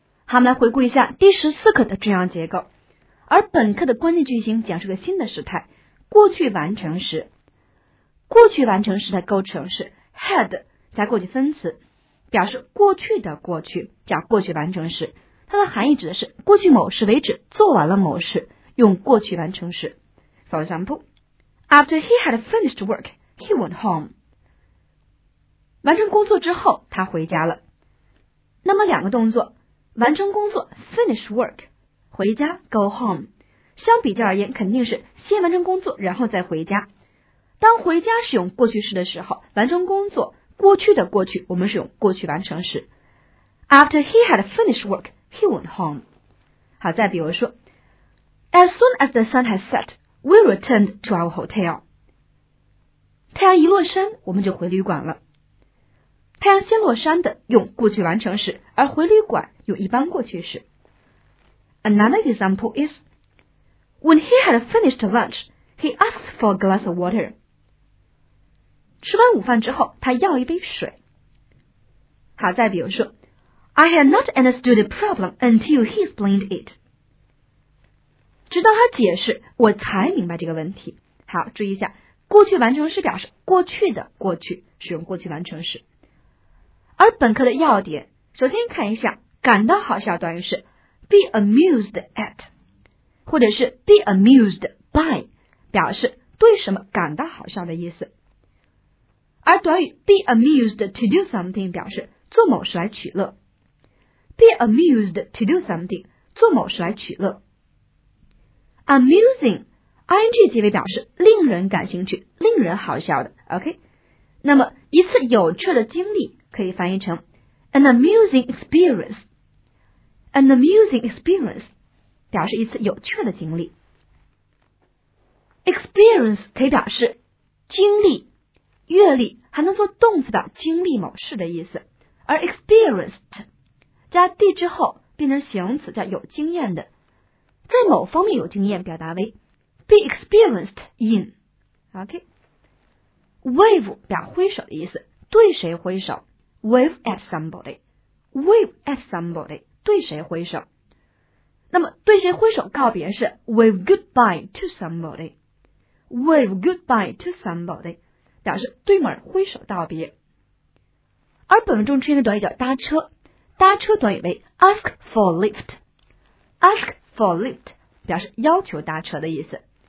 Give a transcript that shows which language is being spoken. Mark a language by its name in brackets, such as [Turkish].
[Chinese] 好，我们来回顾一下第十四课的重要结构。而本课的关键句型讲述个新的时态，过去完成时。过去完成时的构成是 had 加过去分词，表示过去的过去，叫过去完成时。它的含义指的是过去某事为止做完了某事，用过去完成时。 [English] For example, after he had finished work, he went home. [Chinese] 完成工作之后他回家了。那么两个动作，完成工作 [English] finish work, [Chinese] 回家 [English] go home, [Chinese] 相比较而言肯定是先完成工作然后再回家。当回家使用过去式的时候，完成工作过去的过去我们使用过去完成时。 [English] After he had finished work, he went home. [Chinese] 好，再比如说， [English] As soon as the sun had set, we returned to our hotel. [Chinese] 太阳一落山我们就回旅馆了。太阳先落山的用过去完成时，而回旅馆用一般过去时。 [English] Another example is, When he had finished lunch,He asked for a glass of water. [Chinese] 吃完午饭之后他要一杯水。好，再比如说， [English] I had not understood the problem until he explained it. [Chinese] 直到他解释我才明白这个问题。好，注意一下，过去完成时表示过去的过去，使用过去完成时。而本课的要点，首先看一下感到好笑短语是 [English] be amused at, [Chinese] 或者是 [English] be amused by, [Chinese] 表示对什么感到好笑的意思。而短语 [English] be amused to do something [Chinese] 表示做某事来取乐。 [English] be amused to do something [Chinese] 做某事来取乐。 amusing ing 结尾表示令人感兴趣，令人好笑的。 OK, 那么一次有趣的经历可以翻译成 [English] an amusing experience, [Chinese] an amusing experience 表示一次有趣的经历。 Experience 可以表示经历、阅历，还能做动词表经历某事的意思。而 experienced 加 d 之后变成形容词，叫有经验的，在某方面有经验，表达为 [English] be experienced in。 [Chinese] OK, wave 表挥手的意思，对谁挥手， [English] wave at somebody, [Chinese] wave at somebody, 对谁挥手。那么对谁挥手告别是 [English] wave goodbye to somebody, [Chinese] wave goodbye to somebody, 表示对某人挥手道别。而本文中出现的短语叫搭车，搭车短语为 [English] ask for lift, [Chinese] ask for lift 表示要求搭车的意思。